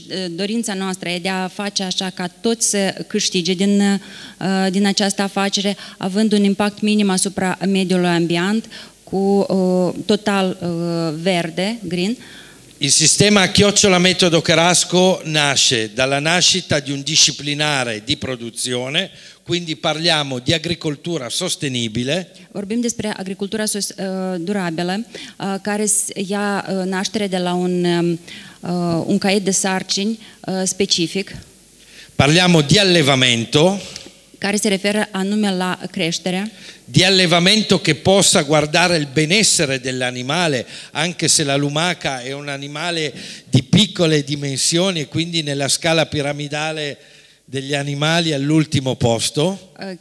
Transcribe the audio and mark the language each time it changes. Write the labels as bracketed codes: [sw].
[ro] Dorința noastră e de a face așa ca toți să câștige din această afacere, având un impact minim asupra mediului ambient, cu total verde, green. [it] Il sistema Chiocciola Metodo Carasco nasce dalla nascita di un disciplinare di produzione, quindi parliamo di agricoltura sostenibile. [ro] Vorbim despre agricultura durabilă, care ia naștere de la un un caiet de sarcini specific. [it] Parliamo di allevamento, [ro] care se referă anume la creștere. [it] Di allevamento che possa guardare il benessere dell'animale, anche se la lumaca è un animale di piccole dimensioni e quindi nella scala piramidale degli animali all'ultimo posto.